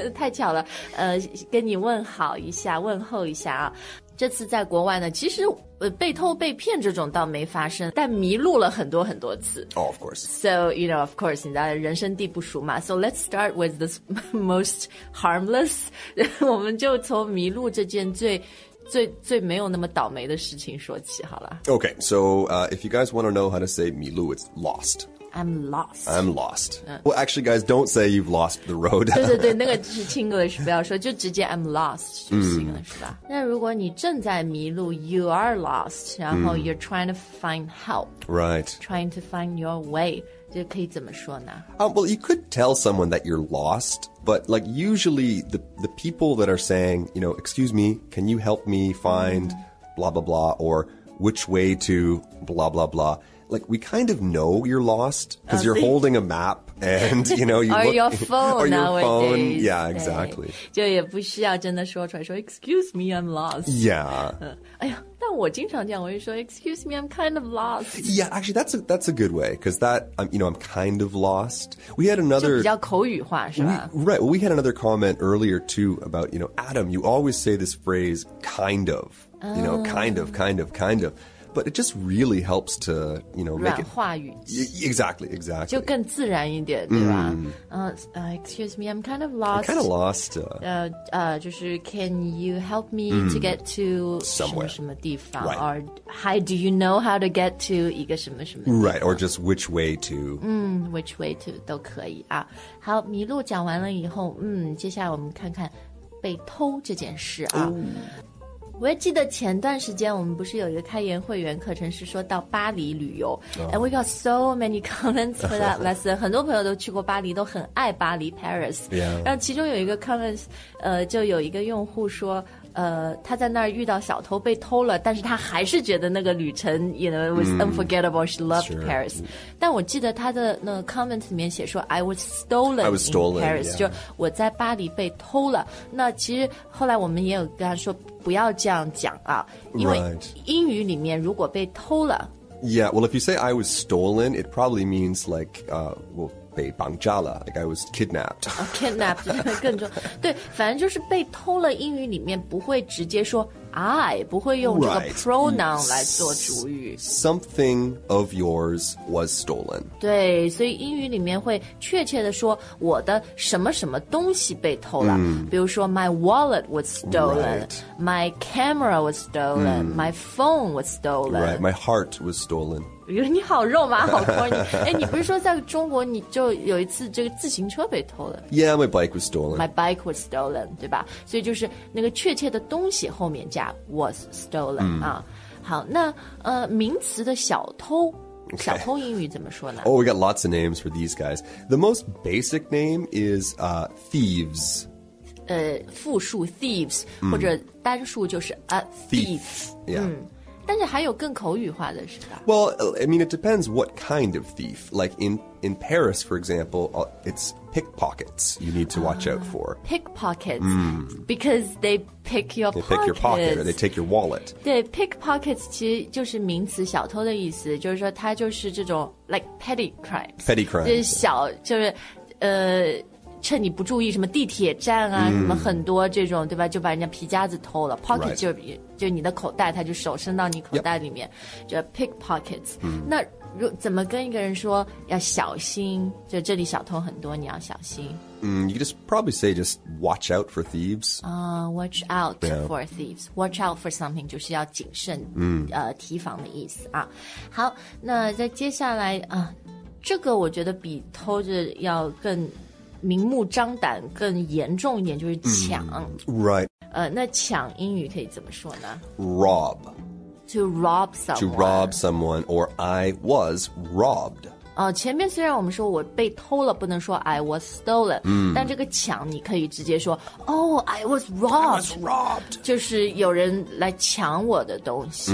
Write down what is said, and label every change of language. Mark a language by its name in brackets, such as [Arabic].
[Chinese] 太巧了跟你问好一下问候一下啊这次在国外呢其实被偷被骗这种倒没发生但迷路了很多很多次 [English] Oh, of course So, you know, of course [Chinese] 你知道人生地不熟嘛 [English] So let's start with this most harmless [Chinese] 我们就从迷路这件最没有那么倒霉的事情说起好了 [English] Okay, so、if you guys want to know how to say 迷路 it's lost I'm lost、 Well, actually guys, don't say you've lost the road [Chinese] 对对对那个是 Chinglish 不要说就直接 [English] I'm lost [Chinese] 就行了、是吧那如果你正在迷路 [English] You are lost [Chinese] 然后 [English] you're trying to find help Right Trying to find your way [Chinese] 就可以怎么说呢、 [English] Well, you could tell someone that you're lostBut, like, usually the people that are saying, you know, excuse me, can you help me find blah, blah, blah, or which way to blah, blah, blah. Like, we kind of know you're lost because you're holding a map and, you know, you or look... Your phone or your、 nowadays. phone. Yeah, exactly. [Chinese] 就也不需要真的说出来说 [English] excuse me, I'm lost. Yeah. [Chinese] 哎呀但我经常这样我就说 [English] excuse me, I'm kind of lost. Yeah, actually, that's a good way, because that, you know, I'm kind of lost. We had another... [Chinese] 就比较口语化是吧 [English] Right, well, we had another comment earlier, too, about, you know, Adam, you always say this phrase, kind of, you know, kind of. But it just really helps to, you know, make [Chinese] 软化语气 [English] Exactly. [Chinese] 就更自然一点,对吧、 [English] excuse me, I'm kind of lost. I'm kind of lost. [Chinese] 就是 [English] can you help me to get to somewhere, [Chinese] 什么地方、 [English] right. Or how do you know how to get to [Chinese] 一个什么什么地方 [English] Right, or just which way to. Which way to, [Chinese] 都可以啊。好,迷路讲完了以后,接下来我们看看被偷这件事啊。我还记得前段时间我们不是有一个开言会员课程是说到巴黎旅游、oh. [English] And we got so many comments for that lesson [Chinese] 很多朋友都去过巴黎都很爱巴黎 [English] Paris、 yeah. [Chinese] 然后其中有一个 comments、就有一个用户说他在那儿遇到小偷被偷了但是他还是觉得那个旅程 [English] you know, it was unforgettable she loved、 sure. [Chinese] Paris 但我记得他的那个 comment 里面写说 [English] I was stolen in Paris、 yeah. [Chinese] 就我在巴黎被偷了那其实后来我们也有跟他说不要这样讲啊因为英语里面如果被偷了、 [English] right. Yeah, well if you say I was stolen it probably means like well, [Chinese] 被绑架了 [English] like I was kidnapped、 [Chinese] oh, kidnapped 更重对反正就是被偷了英语里面不会直接说 I 不会用这个 pronoun、 [English] right. [Chinese] 来做主语 [English] something of yours was stolen [Chinese] 对所以英语里面会确切的说我的什么什么东西被偷了、比如说 [English] my wallet was stolen、 right. my camera was stolen、my phone was stolen、 right. my heart was stolen [Chinese] 你好肉麻好 corny 哎你不是说在中国你就有一次这个自行车被偷了 [English] Yeah, my bike was stolen. My bike was stolen, [Chinese] 对吧所以就是那个确切的东西后面加 was stolen,、啊。好那名词的小偷、 [English] okay. [Chinese] 小偷英语怎么说呢 [English] Oh, we got lots of names for these guys. The most basic name is thieves. [Chinese] 复数 thieves、嗯、或者单数就是 a thief, [English] thief、yeah. [Chinese] 嗯、但是还有更口语化的是吧 [English] Well, I mean, it depends what kind of thief. Like in Paris, for example, it's pickpockets you need to watch out for. Pickpockets,、mm. because they pick your pockets. They pick your pocket or they take your wallet. [Chinese] 对 pickpockets 其实就是名词小偷的意思就是说它就是这种 [English] like petty crimes. Petty crimes. [Chinese] 就是小、yeah. 就是趁你不注意什么地铁站啊、mm. 什么很多这种对吧就把人家皮夹子偷了 pocket、 [English] right. [Chinese] 就你的口袋它就手伸到你口袋里面、 [English] yep. [Chinese] 就 pickpockets、mm. 那怎么跟一个人说要小心就这里小偷很多你要小心、 [English] mm, You just probably say just watch out for thieves、 Watch out、yeah. for thieves Watch out for something [Chinese] 就是要谨慎、 mm. 提防的意思啊。好那在接下来啊、这个我觉得比偷着要更明目张胆更严重一点就是抢、mm, [English] Right、 [Chinese] 那抢英语可以怎么说呢 [English] Rob To rob someone. To rob someone, or I was robbed. [Chinese] 前面虽然我们说我被偷了，不能说 [English] I was stolen.、 Mm. [Chinese] 但这个抢你可以直接说 [English] Oh, I was robbed. I was robbed. [Chinese] 就是有人来抢我的东西、